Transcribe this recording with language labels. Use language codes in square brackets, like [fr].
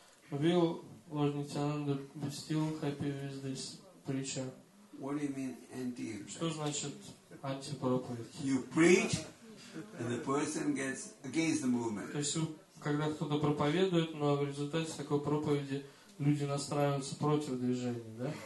[en] Will Lord Nityananda be still happy with this preacher? What do you mean anti-effect? [ru] Что значит антипроповедь? [en] You preach and the person gets against the movement. [ru] То есть, когда кто-то проповедует, но в результате такой проповеди люди настраиваются против движения, да?